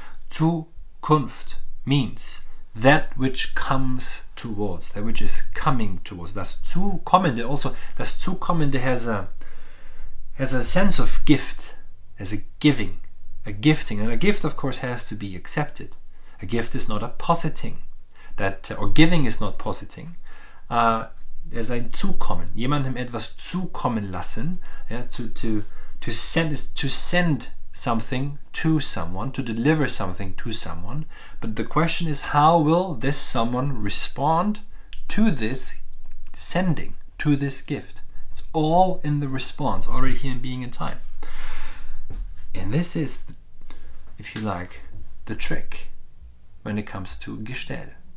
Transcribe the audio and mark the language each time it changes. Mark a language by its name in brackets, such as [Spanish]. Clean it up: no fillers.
[English] Zukunft means that which comes towards, that which is coming towards. [German] Das Zukommende also, das Zukommende [English] has a sense of gift, as a giving. a gifting. And a gift, of course, has to be accepted. A gift is not a positing, or giving is not positing. [German] Es ist ein Zukommen, jemandem etwas zukommen lassen, ja, [English] to send something to someone, to deliver something to someone. But the question is, how will this someone respond to this sending, to this gift? It's all in the response, already here in being in time. And this is, if you like, the trick when it comes to Gestell.